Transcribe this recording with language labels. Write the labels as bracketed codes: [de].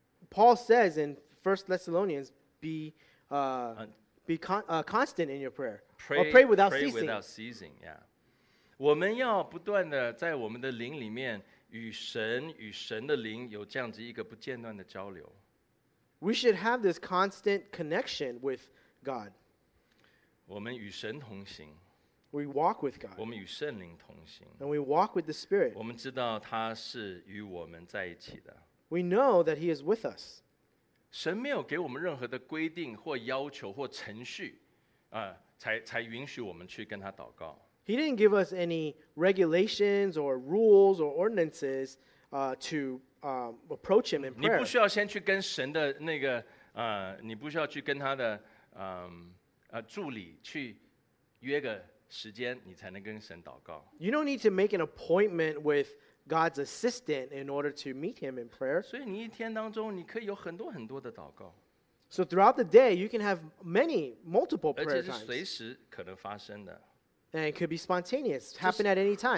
[en] Paul says in 1 Thessalonians, be constant in your prayer. Pray without ceasing. Yeah. [zh] 我们要不断的在我们的灵里面与神与神的灵有这样子一个不间断的交流。 [en] We should have this constant connection with God. [zh] 我们与神同行。 [en] We walk with God. [zh] 我们与圣灵同行。 [en] And we walk with the Spirit. [zh] 我们知道他是与我们在一起的。 [en] We know that He is with us. [zh] 神没有给我们任何的规定或要求或程序，才允许我们去跟他祷告。 [en] He didn't give us any regulations or rules or ordinances, approach him in prayer. [zh] 你不需要先去跟神的那个你不需要去跟他的助理去约个时间，你才能跟神祷告。 [en] You don't need to make an appointment with God's assistant in order to meet him in prayer. [zh] 所以你一天当中你可以有很多很多的祷告。 [en] So throughout the day, you can have many, multiple prayer times. [zh] 而且是随时可能发生的。 [en] And it could be spontaneous, happen at any time.